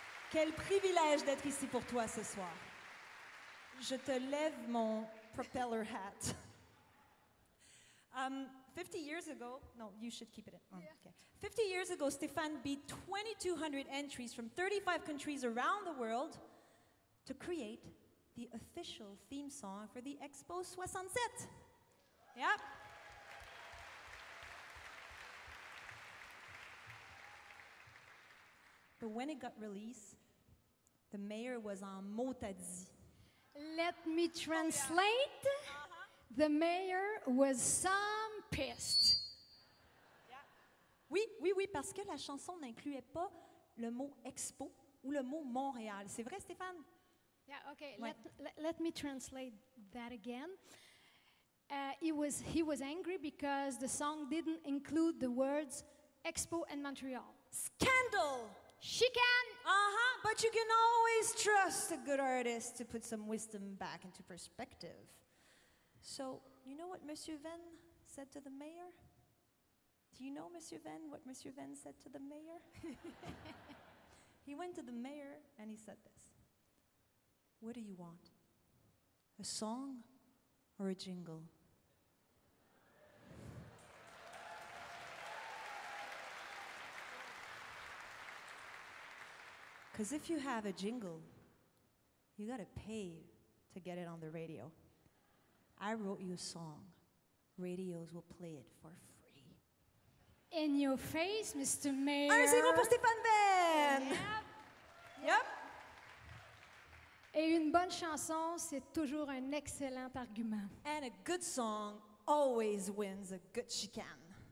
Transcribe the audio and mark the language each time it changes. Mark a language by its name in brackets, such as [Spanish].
[French] Quel privilège d'être ici pour toi ce soir. Je te lève mon [English] propeller hat. 50 years ago, no, you should keep it in. Yeah. Okay. 50 years ago, Stéphane beat 2,200 entries from 35 countries around the world to create the official theme song for the Expo 67. Yep. But when it got released, the mayor was [French] en motadis. [English] Let me translate. Oh, yeah. Uh-huh. The mayor was some pissed. Yeah. [French] Oui, parce que la chanson n'incluait pas le mot Expo ou le mot Montréal. C'est vrai, Stéphane? [English] Yeah, okay. Ouais. Let me translate that again. He was angry because the song didn't include the words Expo and Montreal. Scandal! [French] Chicane! [English] Uh-huh, but you can always trust a good artist to put some wisdom back into perspective. So, you know what Monsieur Venn said to the mayor? Do you know Monsieur Venn, what Monsieur Venn said to the mayor? He went to the mayor and he said this. What do you want? A song or a jingle? Because if you have a jingle, you gotta pay to get it on the radio. I wrote you a song. Radios will play it for free. In your face, Mr. Mayor. [French] Un zéro pour Stéphane Venn. [English] Yep. [French] Et une bonne chanson, c'est toujours un excellent argument. [English] And a good song always wins a good chicane.